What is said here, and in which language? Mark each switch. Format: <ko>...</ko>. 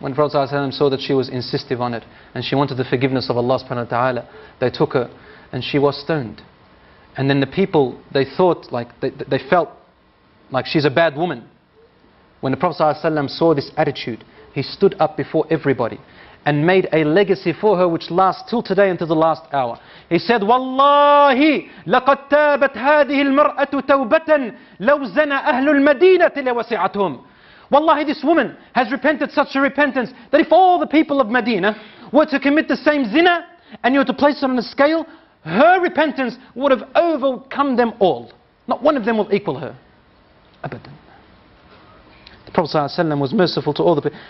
<en>When Prophet ﷺ saw that she was insistive on it, and she wanted the forgiveness of Allah subhanahu wa ta'ala, they took her and she was stoned. And then the people, they thought, like they felt like she's a bad woman. When the Prophet ﷺ saw this attitude, he stood up before everybody and made a legacy for her which lasts till today until the last hour. He said, Wallahi,</en> <ar>لقد تابت هذه المرأة توبة لو زنى أهل المدينة لوسعتهم.</ar> <en>Wallahi, this woman has repented such a repentance that if all the people of Medina were to commit the same zina and you were to place it on a scale, her repentance would have overcome them all. Not one of them will equal her. Abadan. The Prophet ﷺ was merciful to all the people.</en>